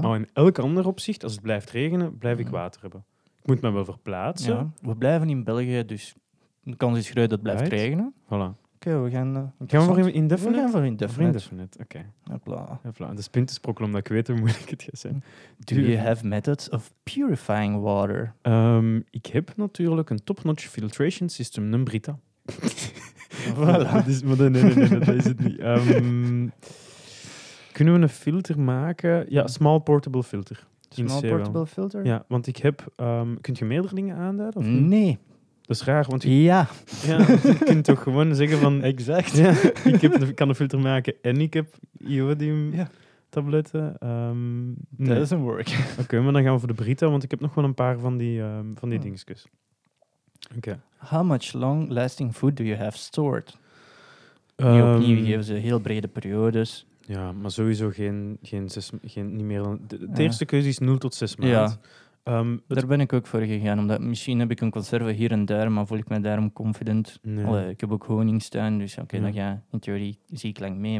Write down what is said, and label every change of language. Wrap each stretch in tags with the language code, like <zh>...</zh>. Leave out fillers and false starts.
<nl>Maar in elk ander opzicht, als het blijft regenen, blijf ik water hebben. Ik moet me wel verplaatsen. Ja, we blijven in België, dus de kans is groot dat het blijft regenen. Voilà. Oké, we gaan... Gaan we voor indefinite? We gaan voor indefinite. Voor indefinite, oké.</nl> <en>Okay.</en> <nl>Hopla. Dat is puntensprokkel, omdat ik weet hoe moeilijk het gaat zijn.</nl> <en>Do you have methods of purifying water?</en> <nl>Ik heb natuurlijk een</nl> <en>top-notch filtration system,</en> <nl>een Brita. Voilà. Nee, dat is het niet. Kunnen we een filter maken? Ja,</nl> <en>small portable filter.</en> <nl>Portable filter? Ja, want ik heb... kunt je meerdere dingen aanduiden? Nee. Dat is raar, want... Ja. Ja, je kunt toch gewoon zeggen van... Exact. Ja, ik kan een filter maken en ik heb iodium-tabletten. Nee.</nl> <en>That doesn't work.</en> <nl>Oké, okay, maar dan gaan we voor de Brita, want ik heb nog wel een paar van die dingetjes. Oké. Okay.</nl> <en>How much long-lasting food do you have stored?</en> <nl>Opnieuw geven ze heel brede periodes... Ja, maar sowieso geen zes, niet meer dan... De eerste keuze is 0 tot 6 maanden. Ja. Daar ben ik ook voor gegaan. Omdat misschien heb ik een conserve hier en daar, maar voel ik me daarom confident. Nee. Ik heb ook honingstuin, dus oké, dan ga je in theorie ziek lang mee.</nl>